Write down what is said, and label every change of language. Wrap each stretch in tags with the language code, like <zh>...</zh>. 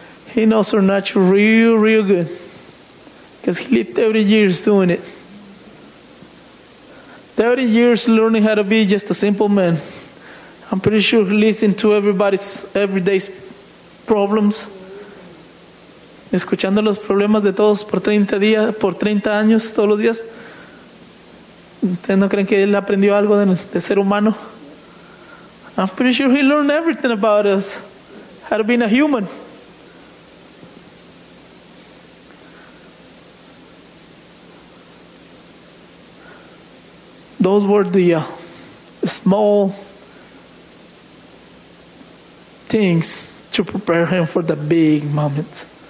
<en>He knows our nature real, real good, because he lived 30 years doing it. 30 years learning how to be just a simple man. I'm pretty sure listening to everybody's everyday problems.</en> <es>Escuchando los problemas de todos por 30 días, por 30 años, todos los días. ¿Ustedes no creen que él aprendió algo de ser humano?</es> <en>I'm pretty sure he learned everything about us. How to be a human. Those were the small things to prepare him for the big moment.</en>